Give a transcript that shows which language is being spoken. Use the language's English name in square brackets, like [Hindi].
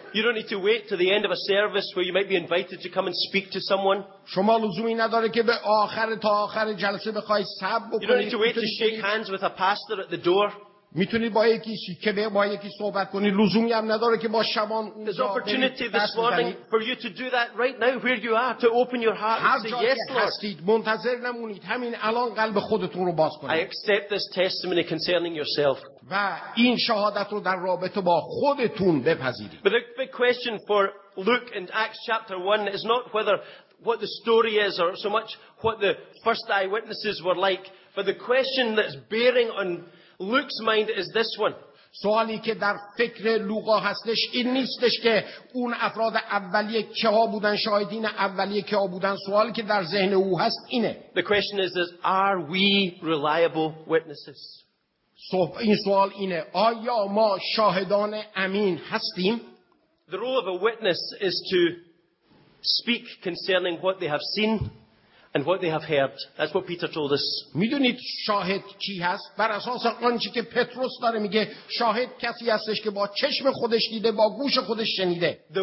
[English] You don't need to wait to the end of a service where you might be invited to come and speak to someone. [Persian] شما لزومی نداره که به آخر تا آخر جلسه بخوای صبر بکنی. [English] You don't need to wait to shake hands with a pastor at the door. [Persian] میتونید با یکی که به با یکی صحبت کنید. لزومی هم نداره که با شبان اونجا. [English] There's opportunity this morning for you to do that right now where you are, to open your heart and say yes, Lord. [Persian] هستید منتظر نمونید، همین الان قلب خودتون رو باز کنید. [English] I accept this testimony concerning yourself. [Persian] و این شهادت رو در رابطه با خودتون بپذیرید. [English] But the big question for Luke in Acts chapter 1 is not whether what the story is or so much what the first eyewitnesses were like, but the question that's bearing on Luke's mind is this one. [Persian] سوالی که در فکر لوقا هستش این نیستش که اون افراد اولیه کیا بودن، شاهدین اولیه کیا بودن. سوالی که در ذهن او هست اینه. [English] The question is this: are we reliable witnesses? [Persian] این سوال اینه: آیا ما شاهدان امین هستیم؟ [English] The role of a witness is to speak concerning what they have seen and what they have heard. That's what Peter told us. [Persian] میدونید شاهد چی هست؟ بر اساس آنچه که پتروس داره میگه شاهد کسی هستش که با چشم خودش دیده، با گوش خودش شنیده.